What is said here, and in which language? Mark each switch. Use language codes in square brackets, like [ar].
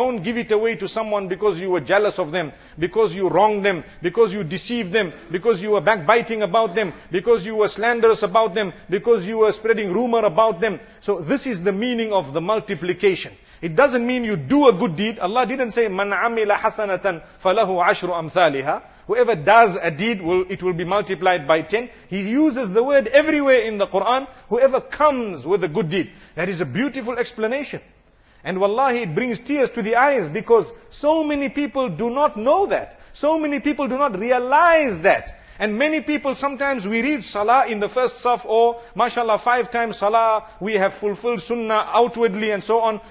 [en] Don't give it away to someone because you were jealous of them, because you wronged them, because you deceived them, because you were backbiting about them, because you were slanderous about them, because you were spreading rumor about them. So this is the meaning of the multiplication. It doesn't mean you do a good deed. Allah didn't say, [ar] مَنْ عَمِلَ حَسَنَةً فَلَهُ عَشْرُ أَمْثَالِهَا. [en] Whoever does a deed, it will be multiplied by 10. He uses the word everywhere in the Quran, whoever comes with a good deed. That is a beautiful explanation. And wallahi, it brings tears to the eyes because so many people do not know that. So many people do not realize that. And many people, sometimes we read salah in the first saf, or mashallah, 5 times salah, we have fulfilled sunnah outwardly and so on.